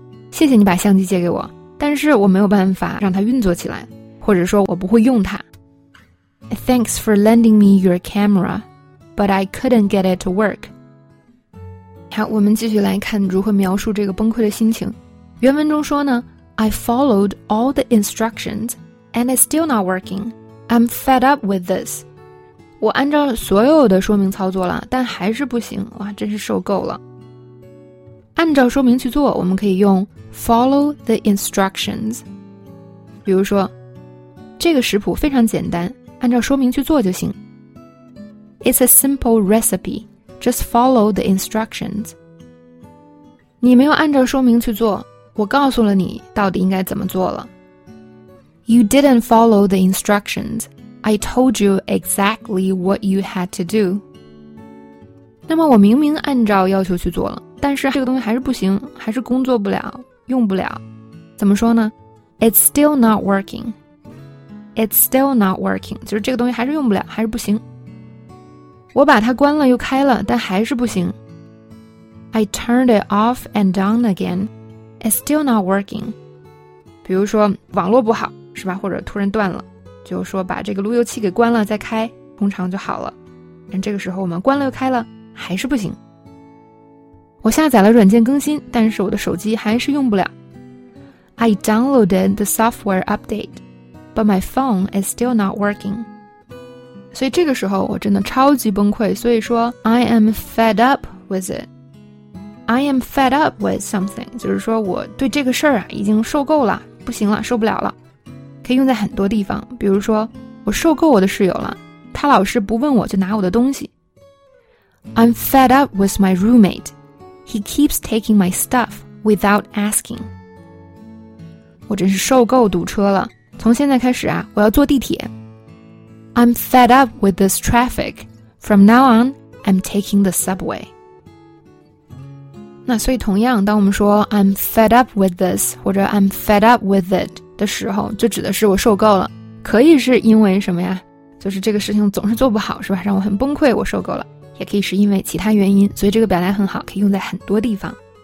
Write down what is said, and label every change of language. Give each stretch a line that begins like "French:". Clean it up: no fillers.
Chinese: 谢谢你把相机借给我，但是我没有办法让它运作起来，或者说我不会用它。
English: Thanks for lending me your camera, but I couldn't get it to work.
Chinese: 好，我们继续来看如何描述这个崩溃的心情。原文中说呢，
English: I followed all the instructions, and it's still not working. I'm fed up with this.
Chinese: 我按照所有的说明操作了，但还是不行。哇，真是受够了。按照说明去做，我们可以用
English: follow the instructions.
Chinese: 比如说，这个食谱非常简单，按照说明去做就行。
English: It's a simple recipe. Just follow the instructions.
Chinese: 你没有按照说明去做，我告诉了你到底应该怎么做了。
English: You didn't follow the instructions. I told you exactly what you had to do.
Chinese: 那么我明明按照要求去做了，但是这个东西还是不行，还是工作不了，用不了。怎么说呢？
English: It's still not working. It's still not working.
Chinese: 就是这个东西还是用不了，还是不行。我把它关了又开了，但还是不行。
English: I turned it off and on again. It's still not working.
Chinese: 比如说网络不好，是吧？或者突然断了，就说把这个路由器给关了再开，通常就好了。但这个时候我们关了又开了，还是不行。我下载了软件更新，但是我的手机还是用不了。
English: I downloaded the software update, but my phone is still not working.
Chinese: 所以这个时候我真的超级崩溃，所以说
English: I am fed up with it. I am fed up with something，
Chinese: 就是说我对这个事儿啊已经受够了，不行了，受不了了。可以用在很多地方，比如说我受够我的室友了，他老是不问我就拿我的东西。
English: I'm fed up with my roommate. He keeps taking my stuff without asking.
Chinese: 我真是受够堵车了。从现在开始啊，我要坐地铁。
English: I'm fed up with this traffic. From now on, I'm taking the subway.
Chinese: 那所以同样，当我们说
English: I'm fed up with this
Chinese: 或者
English: I'm fed up with it
Chinese: 的时候，就指的是我受够了。可以是因为什么呀？就是这个事情总是做不好，是吧？让我很崩溃，我受够了。也可以是因为其他原因，所以这个表达很好，可以用在很多地方。